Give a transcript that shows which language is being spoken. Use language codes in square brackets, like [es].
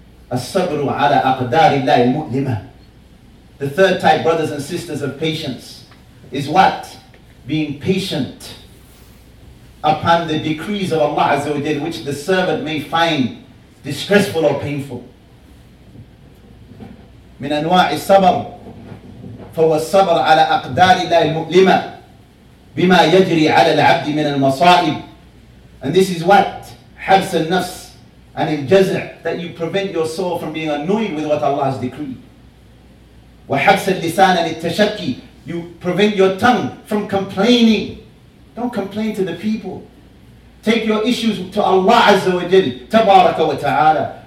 [ar] As-sabru ala aqdari Allah al-mu'lima. [en] The third type, brothers and sisters, of patience is what? Being patient upon the decrees of Allah Azza wa Jal, which the servant may find distressful or painful. [ar] من أنواع الصبر فهو الصبر على أقدار الله المؤلمة بما يجري على العبد من المصائب. [en] And this is what? [ar] حبس النفس [en] and [ar] الجزع, [en] that you prevent your soul from being annoyed with what Allah has decreed. [ar] وحبس اللسان للتشكي, [en] you prevent your tongue from complaining. Don't complain to the people. Take your issues to Allah Azza wa Jal, Tabaraka wa Ta'ala.